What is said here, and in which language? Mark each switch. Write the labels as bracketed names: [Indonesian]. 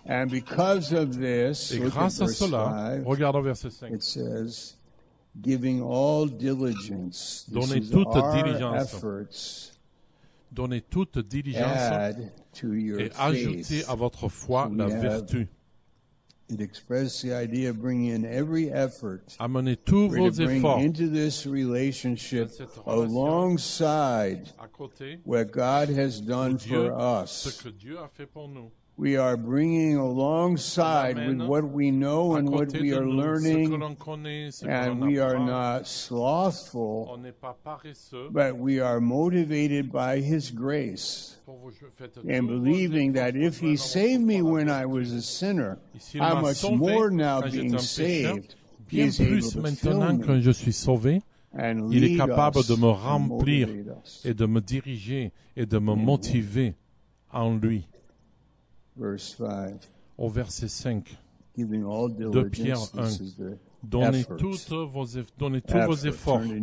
[English] And because of this, [French] et grâce à cela, regardons verset 5. [English] It says, giving all diligence. [French] Donnez toute diligence. Donnez toute diligence et ajoutez à votre foi la vertu. [English] It expresses the idea of bringing in every effort. [French] Amenez tous vos efforts [English] into this relationship alongside what God has done for us. [French] Ce que Dieu a fait pour nous. [English] We are bringing alongside with what we know and what we are learning, and we are not slothful, [French] on n'est pas paresseux, [English] but we are motivated by His grace and believing that if He saved me when I was a sinner, how much more now being saved, [French] bien plus maintenant que je suis sauvé, il est capable de me remplir et de me diriger et de me motiver en lui. Au verset 5, de Pierre 1, donnez tous vos efforts.